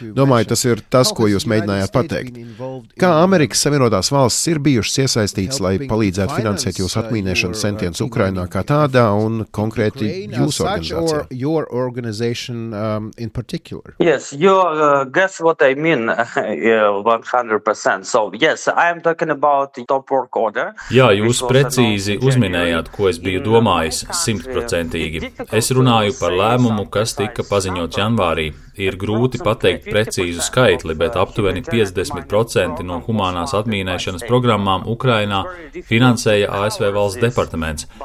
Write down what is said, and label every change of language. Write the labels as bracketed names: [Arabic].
[Latvian] Domāju, tas ir tas, ko jūs mēģinājāt pateikt. Kā Amerikas Savienotās Valstis ir bijušas iesaistītas, lai palīdzētu finansēt jūsu atmīnēšanas centienus Ukrainā kā tādā un konkrēti jūsu organizācijā? [English] Yes, you guess what I mean 100%. So yes, I am talking about the top work order. [Latvian] Jā, jūs precīzi uzminējāt, ko es biju domājis 100%. Es runāju par lēmumu, kas tika paziņots janvārī. Ir grūti pateikt precīzu skaitli, bet aptuveni 50% no humānās atmīnēšanas programmām Ukrainā finansēja ASV valsts departaments.